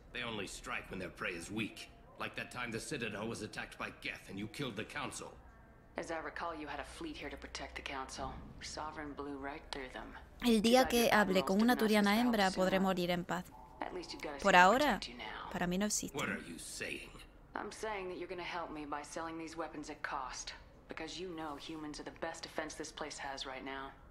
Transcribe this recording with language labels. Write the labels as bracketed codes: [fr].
[en] They only strike when their prey is weak. Like that time the Citadel was attacked by Geth and you killed the Council. As I recall, you had a fleet here to protect the Council. Sovereign blew right through them. [es] El día que hable con una turiana hembra, podré morir en paz. Por ahora, para mí no existe. [en] What are you saying? I'm saying that you're gonna help me by selling these weapons at cost. Because you know humans are the best defense this place has right now.